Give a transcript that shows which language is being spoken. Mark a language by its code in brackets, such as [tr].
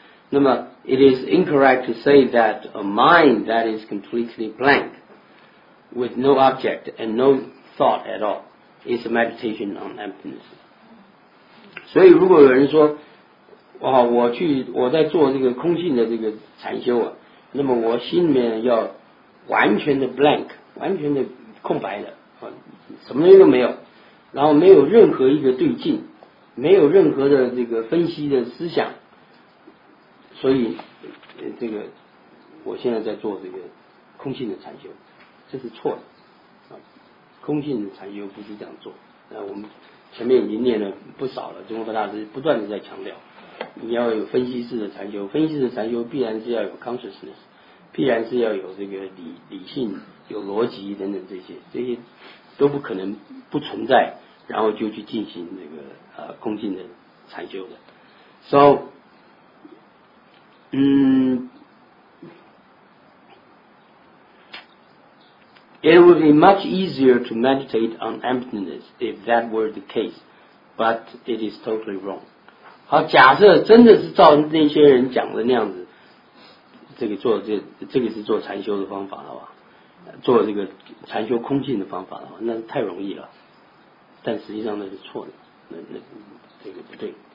[en] 那么 ，it is incorrect to say that a mind that is completely blank, with no object and no thought at all, is a meditation on emptiness。 [zh] 所以，如果有人说，我在做这个空性的这个禅修啊，那么我心里面要完全的 blank，完全的空白的，什么都没有，然后没有任何一个对镜，没有任何的这个分析的思想，所以这个我现在在做这个空性的禅修，这是错的。空性的禅修不是这样做，我们前面已经念了不少了，中国大师不断的在强调，你要有分析式的禅修，分析式的禅修必然是要有 consciousness， 必然是要有这个 理性有逻辑等等，这些都不可能不存在，然后就去进行那个空性的禅修的。 [en] So It would be much easier to meditate on emptiness if that were the case, but it is totally wrong. [zh] 好，假设真的是照那些人讲的那样子，这个是做禅修的方法的话，做这个禅修空性的方法的话，那是太容易了。但实际上那是错的，那这个不对。